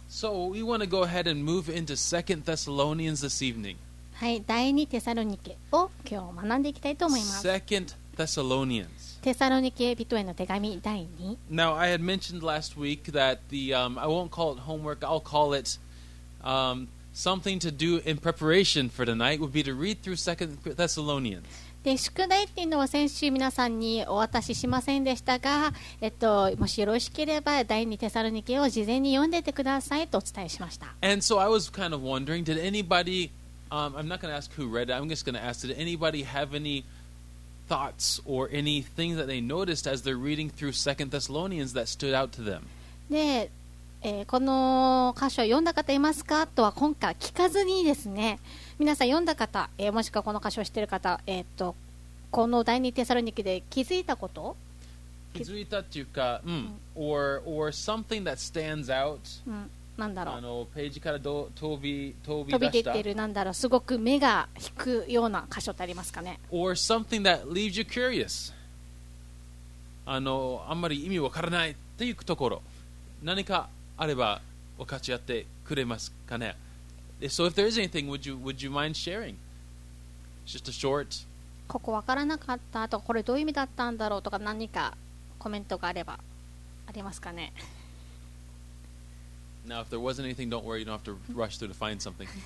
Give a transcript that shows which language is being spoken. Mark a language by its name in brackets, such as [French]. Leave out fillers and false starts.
[English] So we want to go ahead and move into 2 Thessalonians this evening. [Japanese] はい、第2テサロニケを今日学んでいきたいと思います。 [English] 2 Thessalonians. [Japanese] テサロニケ人への手紙第2。 [English] Now I had mentioned last week that the, I won't call it homework, I'll call it, something to do in preparation for tonight would be to read through 2 Thessalonians. [Japanese] で宿題っていうのは先週皆さんにお渡ししませんでしたが、もしよろしければ第二テサロニケを事前に読んでてくださいとお伝えしました。 [English] And so I was kind of wondering, did anybody, I'm not going to ask who read it, I'm just going to ask, did anybody have any thoughts or anything that they noticed as they're reading through 2 Thessalonians that stood out to them? [Japanese] で、この箇所を読んだ方いますかとは今回聞かずにですね、皆さん読んだ方、もしくはこの箇所を知っている方、この第二テサロニケで気づいたこと、気づいたっていうか、うん、 [English] or something that stands out、 [Japanese] うん、なんだろう、あのページから飛び出した、飛び出てる、なんだろう、すごく目が引くような箇所ってありますかね、 [English] or something that leaves you curious、 [Japanese] あんまり意味わからないっていうところ、何かあれば分かち合ってくれますかね。 [English] So if there is anything, would you mind sharing? Just a short. [Japanese] ここわからなかったとか、これどういう意味だったんだろうとか、何かコメントがあればありますかね。 [English] Now if there wasn't anything, don't worry, you don't have to rush through to find something.